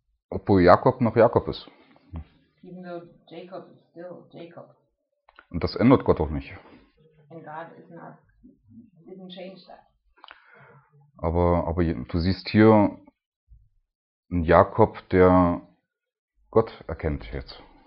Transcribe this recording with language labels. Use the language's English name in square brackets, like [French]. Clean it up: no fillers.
[German] Obwohl Jakob noch Jakob ist. [English] Even though Jacob is still Jacob. [German] Und das ändert Gott auch nicht. [English] And God is not, didn't change that. [German] Aber du siehst hier einen Jakob, der Gott erkennt jetzt.